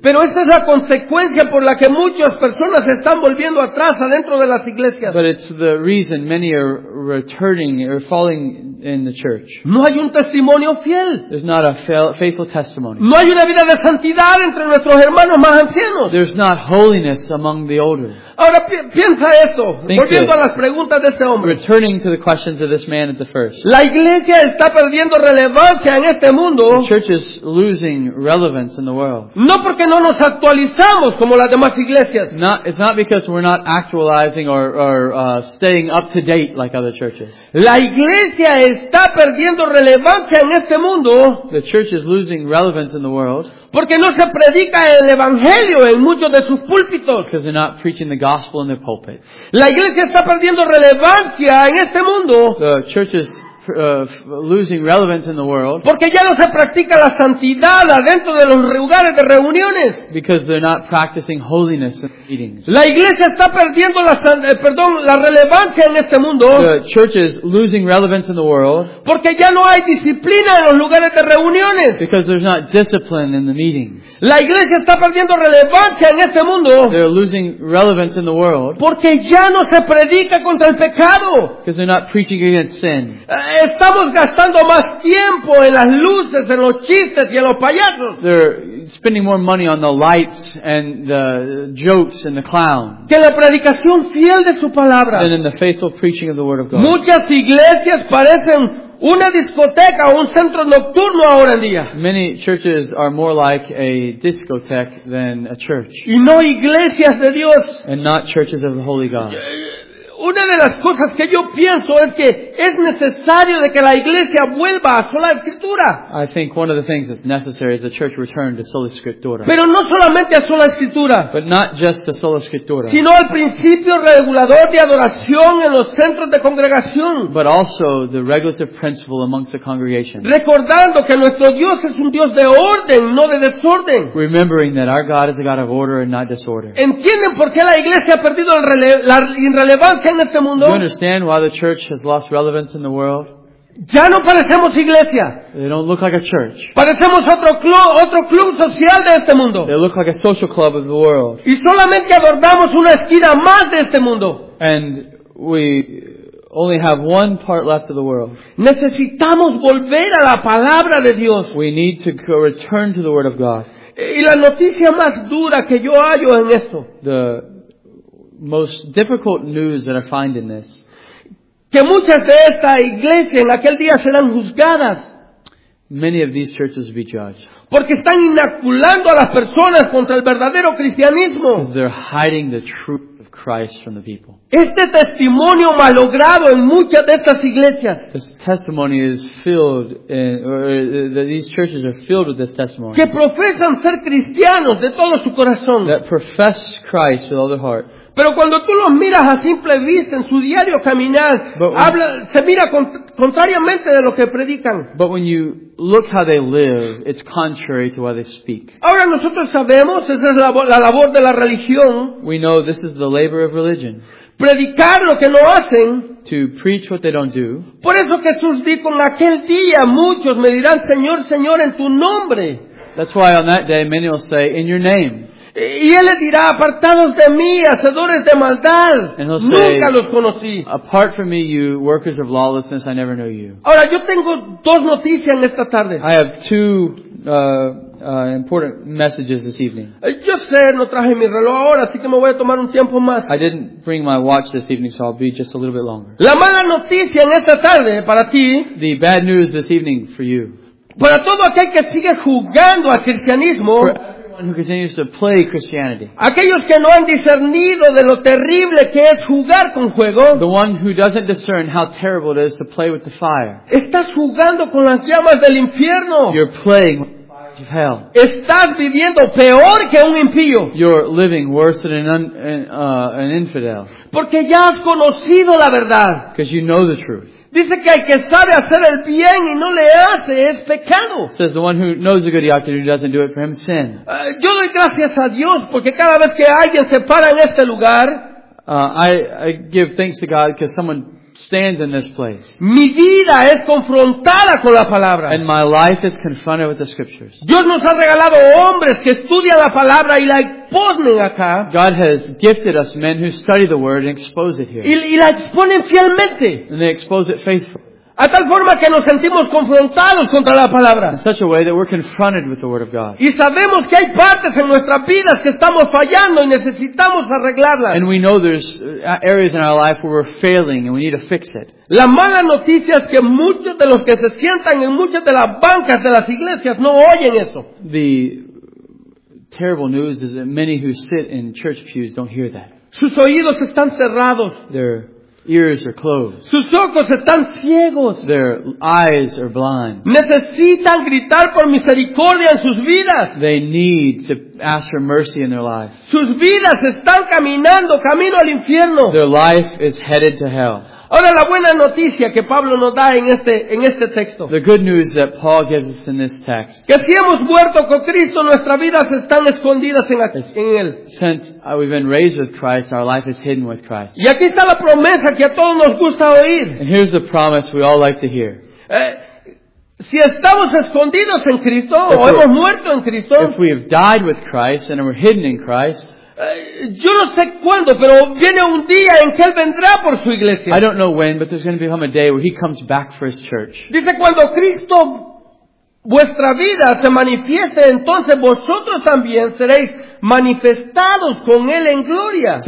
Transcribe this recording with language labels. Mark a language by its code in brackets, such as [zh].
[es] Pero esta es la consecuencia por la que muchas personas están volviendo atrás adentro de las iglesias. [en] But it's the reason many are returning or falling in the church. [es] No hay un testimonio fiel. [en] There's not a faithful testimony. [es] No hay una vida de santidad entre nuestros hermanos más ancianos. [en] There's not holiness among the older. [es] Ahora piensa esto. [en] Think [es] volviendo [en] this. [es] A las preguntas. [en] Returning to the questions of this man at the first. [es] La iglesia está perdiendo relevancia en este mundo. [en] The church is losing relevance in the world. [es] No porque no nos actualizamos como las demás iglesias. [en] It's not because we're not actualizing or staying up to date like other churches. [es] La iglesia está perdiendo relevancia en este mundo. [en] The church is losing relevance in the world. [es] Porque no se predica el evangelio en muchos de sus púlpitos. [en] Because they're not preaching the gospel in their pulpits. [es] La iglesia está perdiendo relevancia en este mundo. [en] The church is losing relevance in the world. [es] Porque ya no se practica la santidad adentro de los lugares de reuniones. [en] Because they're not practicing holiness in meetings. [es] La iglesia está perdiendo la relevancia en este mundo. [en] The church is losing relevance in the world. [es] Porque ya no hay disciplina en los lugares de reuniones. [en] Because there's not discipline in the meetings. [es] La iglesia está perdiendo relevancia en este mundo. [en] They're losing relevance in the world. [es] Porque ya no se predica contra el pecado. [en] Because they're not preaching against sin. [es] Estamos gastando más tiempo en las luces, en los chistes y en los payasos. [en] They're spending more money on the lights and the jokes and the clown. [es] Que la predicación fiel de su palabra. [en] Than in the faithful preaching of the word of God. [es] Muchas iglesias parecen una discoteca o un centro nocturno ahora en día. [en] Many churches are more like a discotheque than a church. [es] Y no iglesias de Dios. [en] And not churches of the Holy God. [es] Una de las cosas que yo pienso es que es necesario de que la iglesia vuelva a sola escritura. [en] I think one of the things that's necessary is the church return to sola escritura. [es] Pero no solamente a sola escritura. [en] But not just to sola escritura. [es] Sino al principio regulador de adoración en los centros de congregación. [en] But also the regulative principle amongst the congregation. [es] Recordando que nuestro Dios es un Dios de orden, no de desorden. [en] Remembering that our God is a God of order and not disorder. [es] ¿Entienden por qué la iglesia ha perdido la irrelevancia? [en] Do you understand why the church has lost relevance in the world? [es] Ya no parecemos iglesia. [en] They don't look like a church. [es] Parecemos otro club social de este mundo. [en] They look like a social club of the world. [es] Y solamente abordamos una esquina más de este mundo. [en] And we only have one part left of the world. [es] Necesitamos volver a la palabra de Dios. [en] We need to return to the word of God. [es] Y la noticia más dura que yo hallo en esto. [en] The most difficult news that I find in this. [es] Que muchas de esta iglesia en aquel día serán juzgadas. [en] Many of these churches will be judged. [es] Porque están inoculando a las personas contra el verdadero cristianismo. [en] Because they're hiding the truth of Christ from the people. [es] Este testimonio malogrado en muchas de estas iglesias. [en] This testimony is filled in, or these churches are filled with this testimony. [es] Que profesan ser cristianos de todo su corazón. [en] That profess Christ with all their heart. [es] Pero cuando tú los miras a simple vista en su diario caminar, se mira contrariamente de lo que predican. [en] But when you look how they live, it's contrary to how they speak. [es] Ahora nosotros sabemos, esa es la labor de la religión. [en] We know this is the labor of religion. [es] Predicar lo que no hacen. [en] To preach what they don't do. [es] Por eso Jesús dijo, en aquel día muchos me dirán, Señor, Señor, en tu nombre. [en] That's why on that day many will say, in your name. [es] Y él les dirá, apartados de mí, hacedores de maldad. Nunca los conocí. [en] Apart from me, you workers of lawlessness, I never knew you. [es] Ahora, yo tengo dos noticias en esta tarde. [en] I have two important messages this evening. [es] Yo sé, no traje mi reloj ahora, así que me voy a tomar un tiempo más. [en] I didn't bring my watch this evening, so I'll be just a little bit longer. [es] La mala noticia en esta tarde para ti. [en] The bad news this evening for you. [es] Para todo aquel que sigue jugando al cristianismo. [en] Who continues to play Christianity. [es] Aquellos que no han discernido de lo terrible que es jugar con juego. [en] The one who doesn't discern how terrible it is to play with the fire. [es] Estás jugando con las llamas del infierno. [en] You're playing with the fires of hell. [es] Estás viviendo peor que un impío. [en] You're living worse than an infidel. [es] Porque ya has conocido la verdad. [en] Because you know the truth. [es] Dice que el que sabe hacer el bien y no le hace es pecado. [en] Says the one who knows the good he ought to do doesn't do it for him is sin. [es] Yo doy gracias a Dios porque cada vez que alguien se para en este lugar, [en] I give thanks to God because someone stands in this place. [es] Mi vida es confrontada con la palabra. [en] And my life is confronted with the scriptures. [es] Dios nos ha regalado hombres que estudian la palabra y la exponen acá. [en] God has gifted us men who study the word and expose it here. [es] Y la exponen fielmente. [en] And they expose it faithfully. [es] A tal forma que nos sentimos confrontados contra la palabra. [en] In such a way that we're confronted with the word of God. [es] Y sabemos que hay partes en nuestras vidas que estamos fallando y necesitamos arreglarlas. [en] And we know there's areas in our life where we're failing and we need to fix it. [es] La mala noticia es que muchos de los que se sientan en muchas de las bancas de las iglesias no oyen eso. [en] The terrible news is that many who sit in church pews don't hear that. [es] Sus oídos están cerrados. [en] They're ears are closed. [es] Sus ojos están ciegos. [en] Their eyes are blind. [es] Necesitan gritar por misericordia en sus vidas. [en] They need to ask for mercy in their lives. [es] Sus vidas están caminando camino al infierno. [en] Their life is headed to hell. [es] Ahora la buena noticia que Pablo nos da en este texto. [en] The good news that Paul gives us in this text. [es] Que si hemos muerto con Cristo, nuestras vidas están escondidas en él. [en] Since we've been raised with Christ, our life is hidden with Christ. [es] Y aquí está la promesa que a todos nos gusta oír. [en] And here's the promise we all like to hear. [es] Si estamos escondidos en Cristo o hemos muerto en Cristo. [en] If we have died with Christ and we're hidden in Christ. [es] Yo no sé cuándo, pero viene un día en que él vendrá por su iglesia. [en] I don't know when, but there's going to become a day where he comes back for his church. [es] Dice cuando Cristo vuestra vida se manifieste, entonces vosotros también seréis manifestados con él en gloria.